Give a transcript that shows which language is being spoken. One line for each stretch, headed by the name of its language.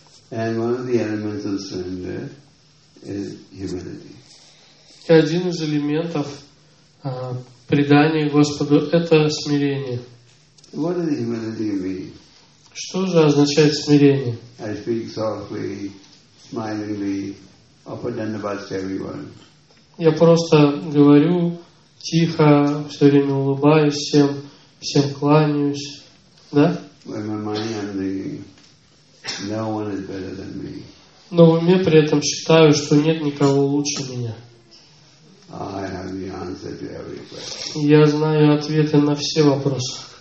English: And one of the elements of surrender is humility.
Russian: И один из элементов предания Господу – это смирение.
English: What does humility mean?
Russian: Что же означает смирение?
English: I speak softly, smilingly, offer dandavat to everyone.
Russian: Я просто говорю тихо, все время улыбаюсь всем, всем кланяюсь, да?
English: When my mind I'm thinking, no one is better than me.
Russian: Но в уме при этом считаю, что нет никого лучше меня.
English: I have the answer to every question.
Russian: Я знаю ответы на все вопросы.